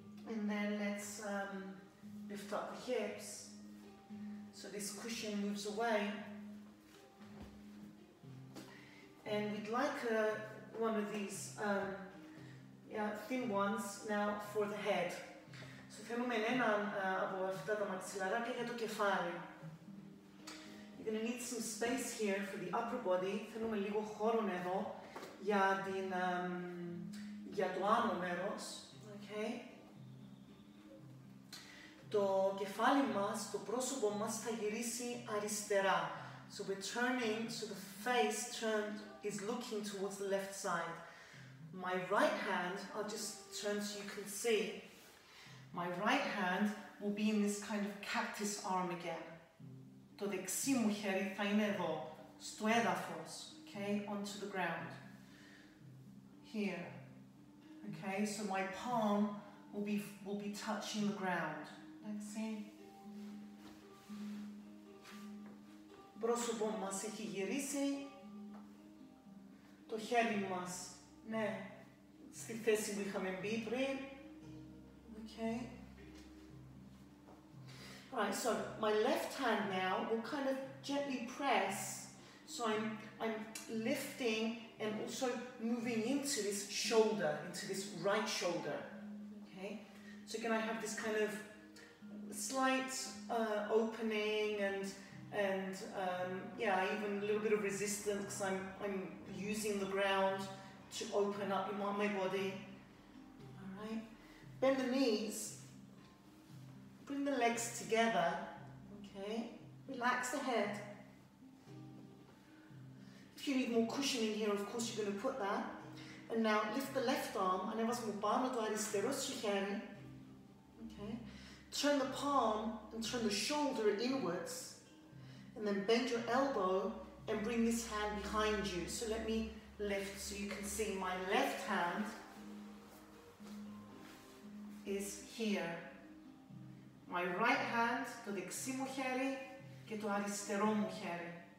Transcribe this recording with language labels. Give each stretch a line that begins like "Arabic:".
English: And then let's lift up the hips. So this cushion moves away. And we'd like one of these thin ones now for the head.
Greek: Θέλουμε έναν από αυτά τα μαξιλαράκια για το κεφάλι.
English: You're going to need some space here for the upper body.
Greek: Θέλουμε λίγο χώρο εδώ για, την, για το άνω μέρος. Okay. Το κεφάλι μας, το πρόσωπο μας θα γυρίσει αριστερά.
English: So we're turning, so the face turned is looking towards the left side. My right hand, I'll just turn so you can see. My right hand will be in this kind of cactus arm again.
Greek: Το δεξί μου χέρι θα είναι εδώ, στο έδαφος, okay,
English: onto the ground. Here, okay, so my palm will be touching the ground. Let's see.
Greek: Πρόσωπο μας έχει γυρίσει. Το χέρι μας, ναι, στη θέση που είχαμε μπει πριν.
English: Okay. Right, so my left hand now will kind of gently press. So I'm lifting and also moving into this shoulder, into this right shoulder. Okay. So can I have this kind of slight opening and even a little bit of resistance because I'm using the ground to open up my body. Alright. Bend the knees. Bring the legs together, okay? Relax the head. If you need more cushion in here, of course you're going to put that. And now lift the left arm.
Greek: Ανέβας μου πάνω το αριστερό σου χέρι.
English: Okay? Turn the palm and turn the shoulder inwards. And then bend your elbow and bring this hand behind you. So let me lift so you can see my left hand is here. My right hand,
Greek: το δεξί μου χέρι και το αριστερό μου χέρι.